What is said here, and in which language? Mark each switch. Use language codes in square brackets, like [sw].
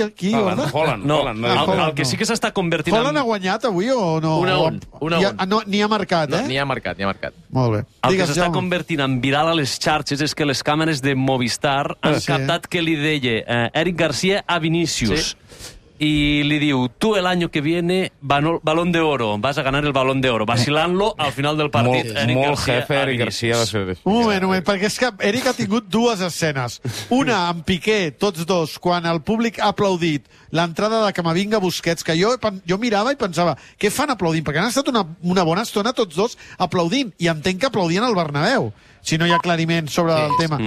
[ca] El que sí que s'està convertint Falan en... Falan ha guanyat avui o no? Un a un. Ni ha marcat. Molt bé. El que s'està convertint en viral a les xarxes és que les càmeres de Movistar han captat que li deia Eric García a Vinícius. Sí. I li diu: [es] tu el año que viene, Balón de Oro, vas a ganar el Balón de Oro, [ca] vacilant-lo al final del partit. Molt jefe, Eric García. Un moment, perquè és que Eric ha tingut dues escenes. Una amb Piqué, tots dos, quan el públic ha aplaudit l'entrada de Camavinga Busquets, que jo mirava i pensava: què fan aplaudint? Perquè han estat una bona estona tots dos aplaudint, i entenc que aplaudien al Bernabéu, si no hi ha aclariment sobre el tema.